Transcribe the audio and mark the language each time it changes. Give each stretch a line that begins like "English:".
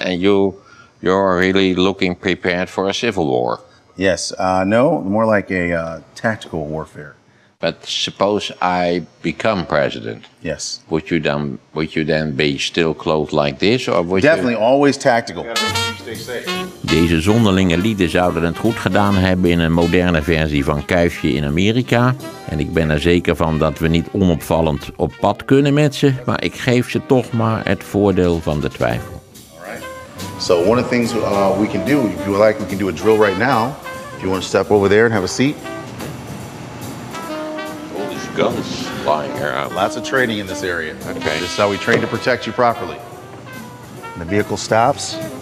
English: And you're really looking prepared for a civil war. Yes. No, more like a tactical warfare. But suppose I become president. Yes. Would you then be still clothed like this? Or would definitely you... always tactical.
Dutch: Deze zonderlinge lieden zouden het goed gedaan hebben in een moderne versie van Kuifje in Amerika. En ik ben er zeker van dat we niet onopvallend op pad kunnen met ze. Maar ik geef ze toch maar het voordeel van de twijfel.
English: So one of the things we can do, if you like, we can do a drill right now. If you want to step over there and have a seat. Oh, there's guns flying around. Lots of training in this area. Okay. This is how we train to protect you properly. And the vehicle stops.